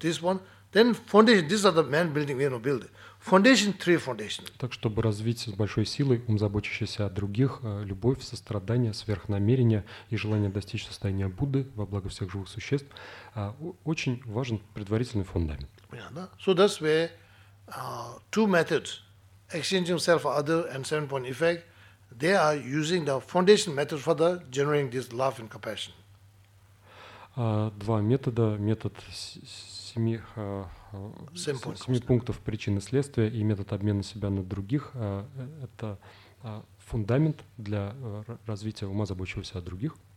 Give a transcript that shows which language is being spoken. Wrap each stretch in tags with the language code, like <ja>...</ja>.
<en>This one, then foundation, these are the main building we want to build. Foundation, three foundations.</en> <ru>Так, чтобы развить с большой силой ум, заботящийся о других, любовь, сострадание, сверхнамерение и желание достичь состояния Будды во благо всех живых существ, очень важен предварительный фундамент. Понятно?</ru> <en>So that's where two methods, exchanging self for other and seven-point effect, they are using the foundation method for the generating this love and compassion.</en> <ru>Два метода, метод семи... семи пунктов причины следствия и метод обмена себя на других – это фундамент для развития ума, заботящегося о других.</ru>